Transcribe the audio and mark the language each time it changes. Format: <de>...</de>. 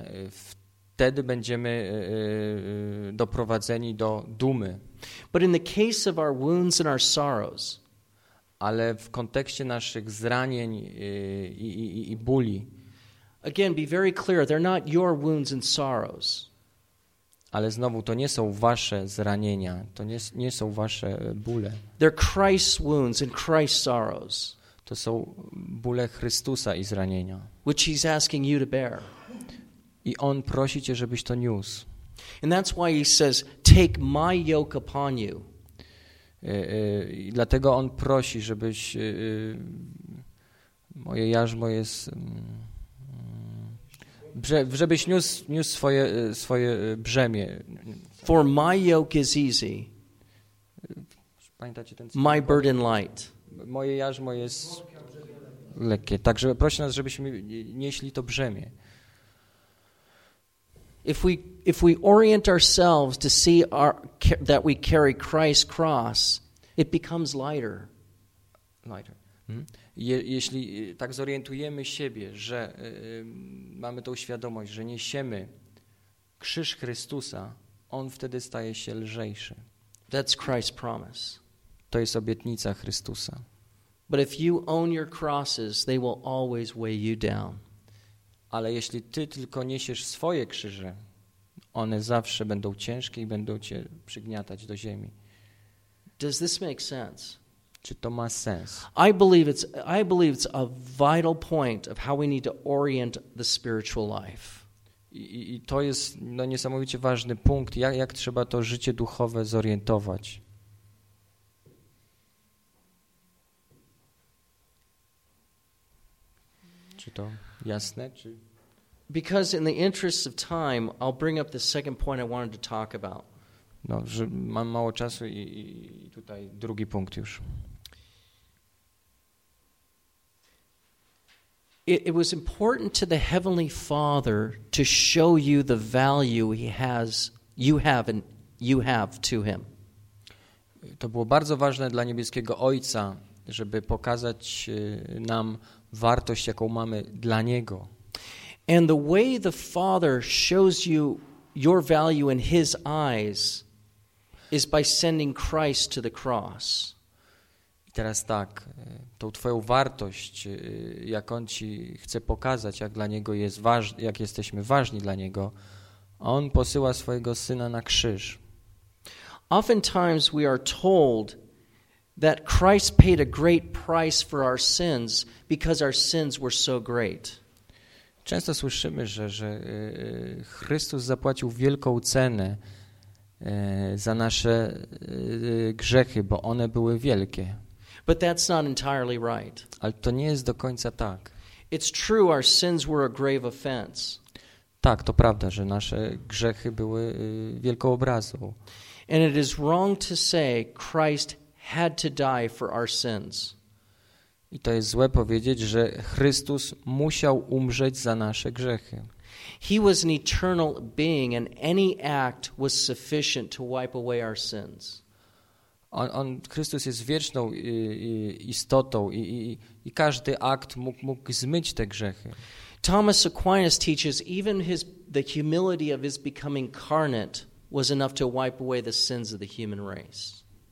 <pl>Wtedy będziemy doprowadzeni do dumy.</pl> <en>But in the case of our wounds and our sorrows,</en> <pl>ale w kontekście naszych zranień i bóli.</pl> <en>Again, be very clear, they're not your wounds and sorrows.</en> <pl>Ale znowu, to nie są wasze zranienia, to nie są wasze bóle.</pl> <en>They're Christ's wounds and Christ's sorrows.</en> <pl>To są bóle Chrystusa i zranienia.</pl> <en>Which he's asking you to bear.</en> <pl>I on prosi cię, żebyś to niósł.</pl> <en>And that's why he says, take my yoke upon you.</en> <pl>I dlatego on prosi, żebyś moje jarzmo jest... żebyś niósł swoje brzemię.</pl> <en>For my yoke is easy.</en> <pl>Pamiętacie ten cytat?</pl> <en>My burden light.</en> <pl>Moje jarzmo jest lekkie. Także prosi nas, żebyśmy nieśli to brzemię.</pl> <en>If we orient ourselves to see that we carry Christ's cross, it becomes lighter. Lighter.</en> <pl>Jeśli tak zorientujemy siebie, że mamy tą świadomość, że niesiemy krzyż Chrystusa, on wtedy staje się lżejszy.</pl> <en>That's Christ's promise.</en> <pl>To jest obietnica Chrystusa.</pl> <en>But if you own your crosses, they will always weigh you down.</en> <pl>Ale jeśli ty tylko niesiesz swoje krzyże, one zawsze będą ciężkie i będą cię przygniatać do ziemi.</pl> <en>Does this make sense?</en> <pl>Czy to ma sens?</pl> <en>I believe it's a vital point of how we need to orient the spiritual life.</en> <pl>I to jest niesamowicie ważny punkt, jak trzeba to życie duchowe zorientować. Czy to jasne?</pl> <en>Because in the interest of time, I'll bring up the second point I wanted to talk about.</en> <pl>No, że mam mało czasu i tutaj drugi punkt już.</pl> <en>It was important to the Heavenly Father to show you the value he has, you have, and you have to him.</en> <pl>To było bardzo ważne dla niebieskiego Ojca, żeby pokazać nam wartość, jaką mamy dla Niego.</pl> <en>And the way the Father shows you your value in His eyes is by sending Christ to the cross.</en> <pl>I teraz tak, tą twoją wartość, jak On ci chce pokazać, jak dla Niego jest ważny, jak jesteśmy ważni dla Niego, On posyła swojego Syna na krzyż.</pl> <en>Oftentimes we are told that Christ paid a great price for our sins because our sins were so great.</en> <pl>Często słyszymy, że Chrystus zapłacił wielką cenę za nasze grzechy, bo one były wielkie.</pl> <en>But that's not entirely right.</en> <pl>Ale to nie jest do końca tak.</pl> <en>It's true our sins were a grave offense.</en> <pl>Tak, to prawda, że nasze grzechy były wielką obrazą.</pl> <en>And it is wrong to say Christ had to die for our sins.</en> <pl>I to jest złe powiedzieć, że Chrystus musiał umrzeć za nasze grzechy.</pl> <en>He was an eternal being and any act was sufficient to wipe away our sins.</en> <pl>On Chrystus jest wieczną istotą i każdy akt mógł zmyć te grzechy.</pl> <en>Thomas Aquinas teaches even the humility of his becoming incarnate was enough to wipe away the sins of the human race.</en>